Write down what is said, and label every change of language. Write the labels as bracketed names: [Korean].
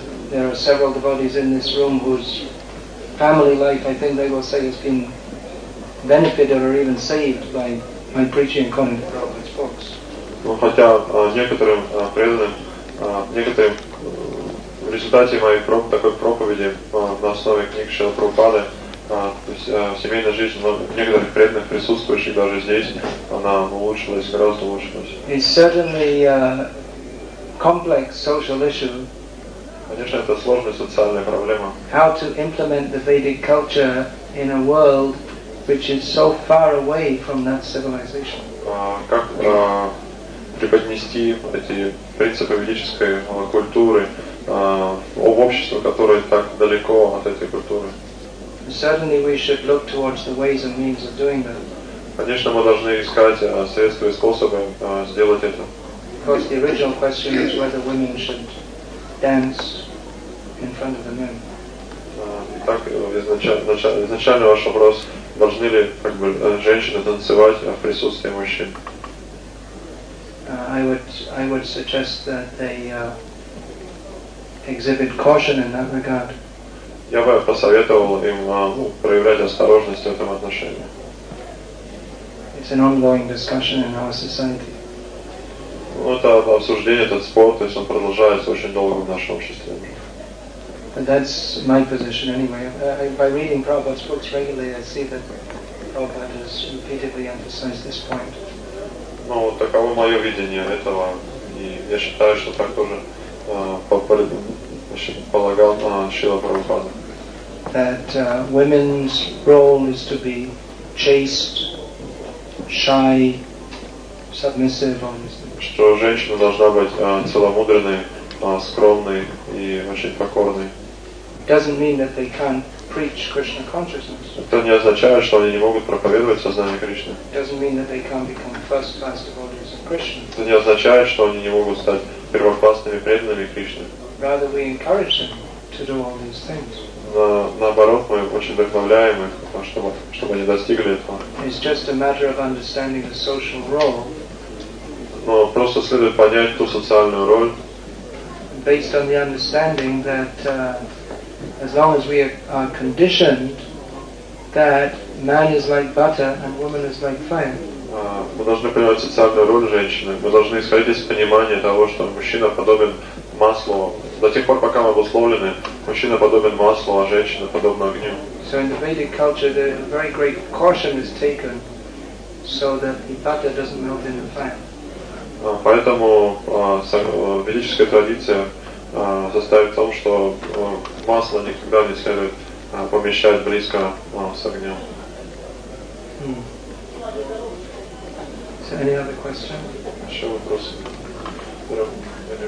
[English] There are several devotees in this room whose family life, I think they will say, has been benefited or even saved by my preaching according to Prabhupada's books. [Russian] Well, хотя некоторым преданным, некоторым в результате моей проповеди на основе книг Шрилы Прабхупады, то есть семейная жизнь некоторых преданных, присутствующих даже здесь, она улучшилась, гораздо улучшилась. [English] It's certainly a complex social issue. [Russian] Конечно, это сложная социальная проблема. [English] How to implement the Vedic culture in a world which is so far away from that civilization? [Russian] Как преподнести эти принципы ведической культуры в общество, которое так далеко от этой культуры? [English] Certainly, we should look towards the ways and means of doing that. [Russian] Конечно, мы должны искать средства и способы сделать это. [English] Of course, the original question is whether women should dance in front of the men. [Russian] Итак, изначально ваш вопрос, должны ли как бы женщины танцевать в присутствии мужчин? [English] I would suggest that they exhibit caution in that regard. [Russian] Я бы посоветовал им проявлять осторожность в этом отношении. [English] It's an ongoing discussion in our society. [Russian] Ну, это обсуждение, этот спор, то есть он продолжается очень долго в нашем обществе. [English] And that's my position anyway. By reading Prabhupada's books regularly, I see that Prabhupada has repeatedly emphasized this point. [Russian] Ну, вот таково мое видение этого. И я считаю, что так тоже полагал Шрила Прабхупада. [English] That women's role is to be chaste, shy, submissive, honest. [Russian] Что женщина должна быть целомудренной, скромной и очень покорной. [English] Doesn't mean that they can't preach Krishna consciousness. [Russian] Это не означает, что они не могут проповедовать сознание Кришны. [English] Doesn't mean that they can't become first-class devotees of Krishna. [Russian] Это не означает, что они не могут стать первоклассными преданными Кришны. [English] Rather, we encourage them to do all these things. [Russian] наоборот, мы очень вдохновляем их, чтобы они достигли этого. [English] It's just a matter of understanding the social role. [Russian] Но просто следует понять ту социальную роль. [English] Based on the understanding that as long as we are conditioned that man is like butter and woman is like fire. [Russian] Мы должны понимать социальную роль женщины. Мы должны исходить из понимания того, что мужчина подобен маслу. До тех пор, пока мы обусловлены, мужчина подобен маслу, а женщина подобна огню. [English] So in the Vedic culture, the very great caution is taken so that the butter doesn't melt in the fire. [Russian] Поэтому ведическая традиция состоит в том, что масло никогда не следует помещать близко с огнем. [English] Any other question? [Russian] Еще вопросы? Any